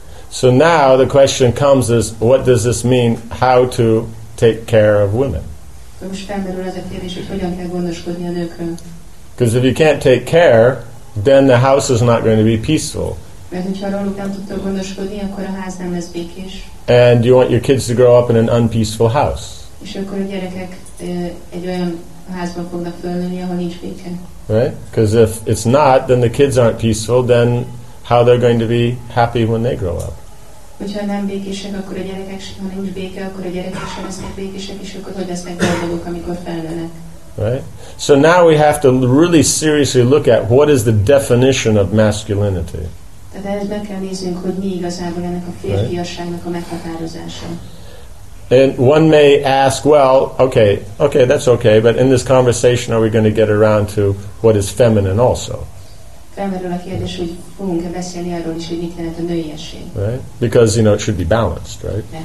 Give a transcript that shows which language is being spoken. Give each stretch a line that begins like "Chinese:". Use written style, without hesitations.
English: So now the question comes is, what does this mean, how to take care of women? Because if you can't take care, then the house is not going to be peaceful. And you want your kids to grow up in an unpeaceful house.
Hungarian: És akkor a gyerekek egy olyan házban fognak fölnőni, ahol nincs béke.
English: Right? Because if it's not, then the kids aren't peaceful, then how they're going to be happy when they grow up.
Hungarian: Hogyha nem békések, akkor a gyerekek, ha nincs béke, akkor a gyerekek sem lesznek békések, és akkor hogy lesznek boldogok, amikor felnőnek.
English: Right? So now we have to really seriously look at what is the definition of masculinity.
Hungarian: Tehát ezt meg kell néznünk, hogy mi igazából ennek a férfiasságnak a meghatározása.
English: And one may ask, well, okay, that's okay, but in this conversation are we going to get around to what is feminine also? Right? Because, you know, it should be balanced, right?